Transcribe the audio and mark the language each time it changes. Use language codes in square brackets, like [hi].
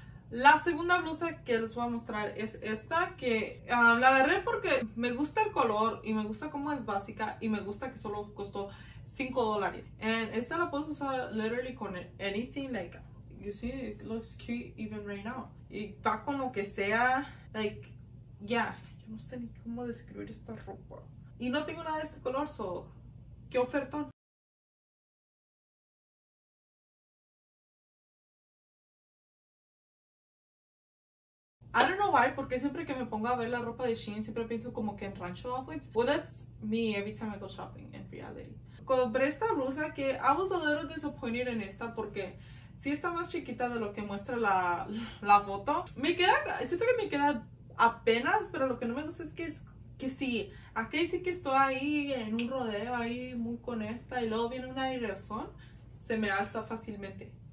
[es] La segunda blusa que les voy a mostrar es esta, que la agarré porque me gusta el color y me gusta cómo es básica y me gusta que solo costó $5. [en] And [es] esta la puedes usar [en] literally con anything, like, you see, it looks cute even right now. [es] Y va con lo que sea, like, yeah, yo no sé ni cómo describir esta ropa. Y no tengo nada de este color, so, qué ofertón. [en] I don't know why, [es] porque siempre que me pongo a ver la ropa de Shein, siempre pienso como que en Rancho Outfits. [en] Well, that's me every time I go shopping in reality. [es] Compré esta blusa que [en] I was a little disappointed [es] en esta porque sí está más chiquita de lo que muestra la foto. Me queda, siento que me queda apenas, pero lo que no me gusta es que sí. Aquí sí que estoy ahí en un rodeo ahí muy con esta y luego viene un airezón, se me alza fácilmente.